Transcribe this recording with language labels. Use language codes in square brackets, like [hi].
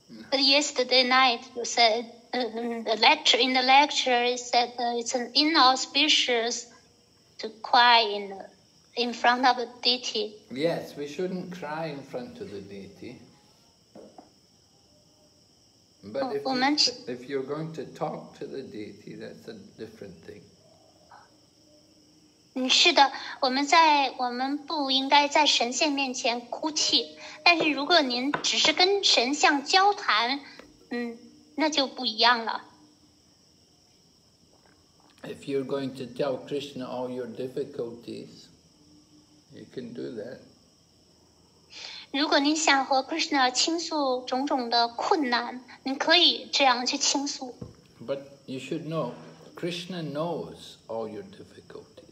[en] But yesterday night you said,In the lecture, it said it's an inauspicious to cry in front of a deity. Yes, we shouldn't cry in front of the deity. But if you're going to talk to the deity, that's a different thing. [zh] 是的，我们不应该在神像面前哭泣。但是如果您只是跟神像交谈，那就不一样了。 [en] If you're going to tell Krishna all your difficulties, you can do that. [zh] 如果您想和 Krishna 倾诉种种的困难，您可以这样去倾诉。 [en] But you should know, Krishna knows all your difficulties.